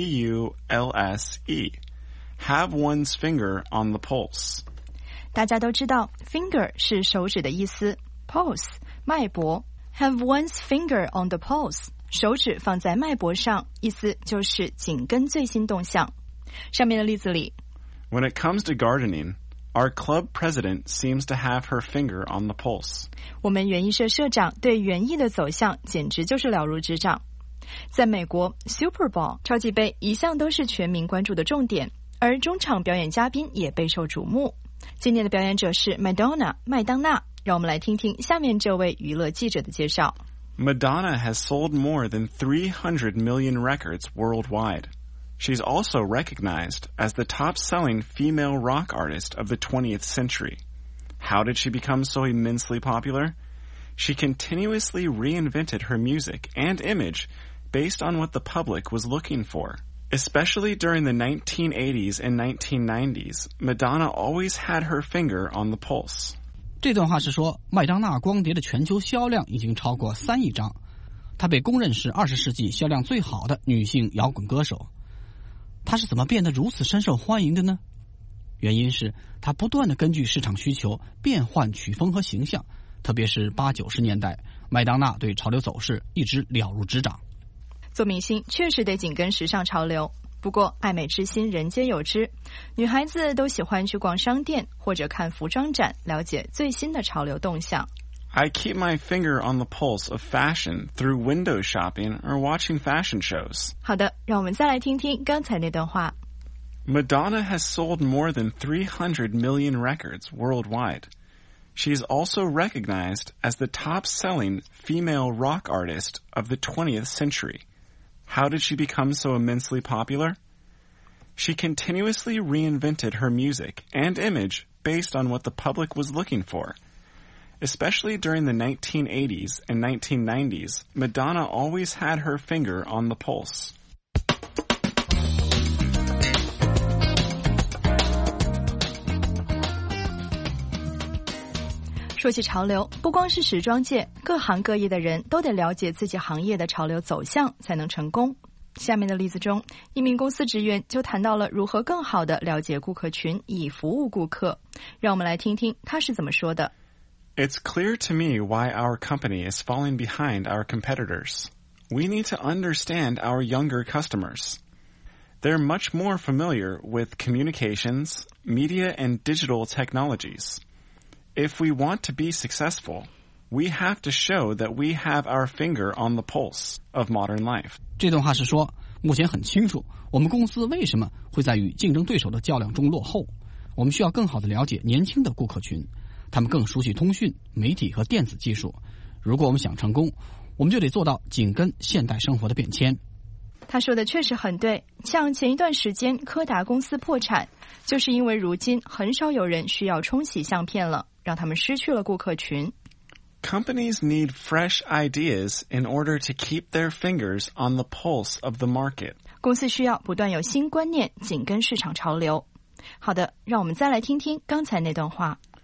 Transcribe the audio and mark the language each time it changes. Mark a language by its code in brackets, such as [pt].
[en] P-U-L-S-E. Have one's finger on the pulse. [zh] 大家都知道 finger 是手指的意思 pulse, 脉搏 [en] Have one's finger on the pulse. [zh] 手指放在脉搏上，意思就是紧跟最新动向。上面的例子里 [en] When it comes to gardening, our club president seems to have her finger on the pulse. [zh] 我们园艺社社长对园艺的走向简直就是了如指掌。在美国 ,Super Bowl, 超级杯一向都是全民关注的重点，而中场表演嘉宾也备受瞩目。今年的表演者是 Madonna, 麦当娜。让我们来听听下面这位娱乐记者的介绍。 [en] Madonna has sold more than 300 million records worldwide. She's also recognized as the top-selling female rock artist of the 20th century. How did she become so immensely popular? She continuously reinvented her music and image based on what the public was looking for. Especially during the 1980s and 1990s, Madonna always had her finger on the pulse. [zh] 这段话是说，麦当娜光碟的全球销量已经超过3亿张。她被公认是20世纪销量最好的女性摇滚歌手。她是怎么变得如此深受欢迎的呢？原因是她不断地根据市场需求变换曲风和形象，特别是80-90年代，麦当娜对潮流走势一直了如指掌。做明星确实得紧跟时尚潮流，不过爱美之心人皆有之，女孩子都喜欢去逛商店或者看服装展，了解最新的潮流动向。 [en] I keep my finger on the pulse of fashion through window shopping or watching fashion shows. [zh] 好的，让我们再来听听刚才那段话。 [en] Madonna has sold more than 300 million records worldwide. She is also recognized as the top-selling female rock artist of the 20th century. How did she become so immensely popular? She continuously reinvented her music and image based on what the public was looking for. Especially during the 1980s and 1990s, Madonna always had her finger on the pulse. [zh] 说起潮流，不光是时装界，各行各业的人都得了解自己行业的潮流走向才能成功。下面的例子中，一名公司职员就谈到了如何更好地了解顾客群以服务顾客。让我们来听听他是怎么说的。 [en] It's clear to me why our company is falling behind our competitors. We need to understand our younger customers. They're much more familiar with communications, media, and digital technologies. If we want to be successful, we have to show that we have our finger on the pulse of modern life. [zh] 这段话是说，目前很清楚，我们公司为什么会在与竞争对手的较量中落后。我们需要更好地了解年轻的顾客群。他们更熟悉通讯、媒体和电子技术。如果我们想成功，我们就得做到紧跟现代生活的变迁。他说的确实很对，像前一段时间柯达公司破产，就是因为如今很少有人需要冲洗相片了，让他们失去了顾客群。 [en] Companies need fresh ideas in order to keep their fingers on the pulse of the market. [zh] 公司需要不断有新观念，紧跟市场潮流。好的，让我们再来听听刚才那段话。